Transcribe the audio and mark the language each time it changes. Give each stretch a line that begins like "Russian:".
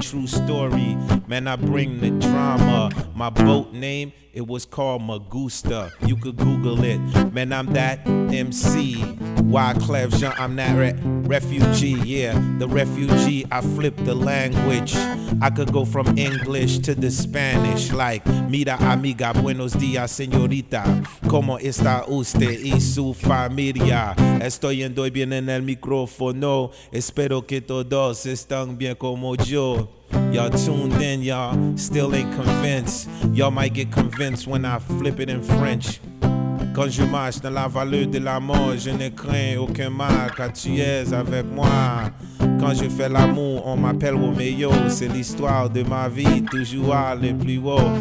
English: True story, man, I bring the drama. My boat name, it was called Magusta. You could Google it. Man, I'm that MC. Why Clef Jean, I'm that refugee. Yeah, the refugee, I flipped the language. I could go from English to the Spanish.
Spanish: Like, mira amiga, buenos dias, señorita. ¿Cómo está usted y su familia? Estoy yendo bien en el micrófono. Espero que todos estén bien como yo.
English: Y'all tuned in, y'all still ain't convinced. Y'all might get convinced when I flip it in French.
French: Quand je marche dans la vallée de la mort, je ne crains aucun mal, car tu es avec moi. Quand je fais l'amour, on m'appelle Romeo. C'est l'histoire de ma vie, toujours à le plus haut.